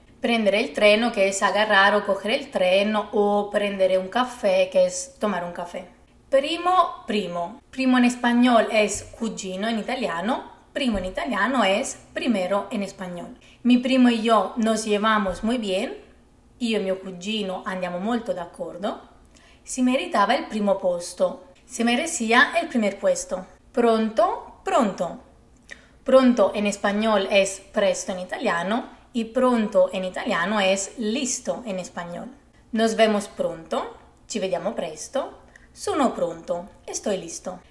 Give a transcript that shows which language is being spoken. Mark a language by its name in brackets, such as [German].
[Italian] Prendere il treno, che è [Spanish] agarrar o coger el tren, [Italian] o prendere un café, che è [Spanish] tomar un café. [Italian] Primo, primo. Primo in español è cugino in italiano. Primo in italiano è primero in español. [Spanish] Mi primo e io nos llevamos muy bien. [Italian] Io e mio cugino andiamo molto d'accordo. Si meritava il primo posto. [Spanish] Se merecía el primer puesto. [Italian] Pronto, pronto. Pronto in español è presto in italiano. [Spanish] Y pronto en italiano es listo en español. Nos vemos pronto, [Italian] ci vediamo presto, sono pronto, [Spanish] estoy listo.